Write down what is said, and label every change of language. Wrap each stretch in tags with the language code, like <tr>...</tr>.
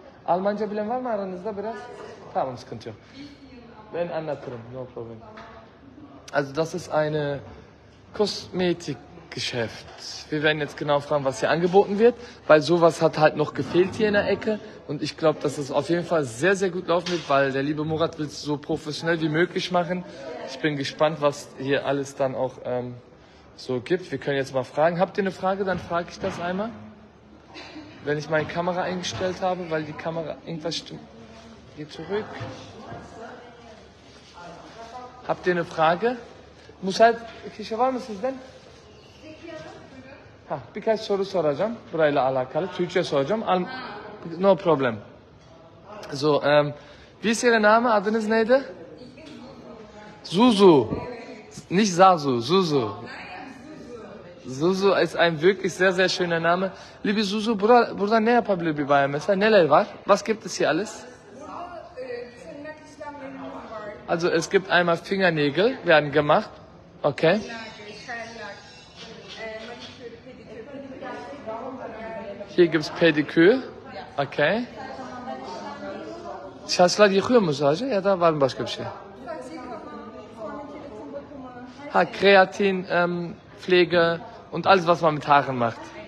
<tr>Almanca bilen var mı aranızda biraz? Tamam, sıkıntı yok. Ben anlatırım,</tr> <en>no problem.</en> <de>Also das ist eine Kosmetikgeschäft. Wir werden jetzt genau fragen, was hier angeboten wird, weil sowas hat halt noch gefehlt hier in der Ecke. Und ich glaube, dass es auf jeden Fall sehr, sehr gut laufen wird, weil der liebe Murat will es so professionell wie möglich machen. Ich bin gespannt, was hier alles dann auch so gibt. Wir können jetzt mal fragen. Habt ihr eine Frage? Dann frage ich das einmal. Wenn ich meine Kamera eingestellt habe, weil die Kamera irgendwas stimmt. Geh zurück. Habt ihr eine Frage? Muss halt.</de> <tr>Kişe var mısınız</tr> <de>denn?</de> <tr>Ha, birkaç soru soracağım. Burayla alakalı. Türkçe soracağım.</tr> <en>No problem.</en> <de>So, wie ist Ihre Name?</de> <tr>Adınız neydi?</tr> <de>Zuzu. Nicht Zazu, Zuzu. Zuzu ist ein wirklich sehr, sehr schöner Name. Liebe Zuzu,</de> <tr>burada ne yapabilir bir bayan mesela? Neler var?</tr> <de>Was gibt es hier alles? Also es gibt einmal Fingernägel, werden gemacht. Okay. Hier gibt es Pediküre. Okay.</de> <tr>Saçlar yıkıyor mu sadece? Ya da var mı başka bir şey?</tr> <de>Ha, Kreatin, Pflege und alles, was man mit Haaren macht.</de>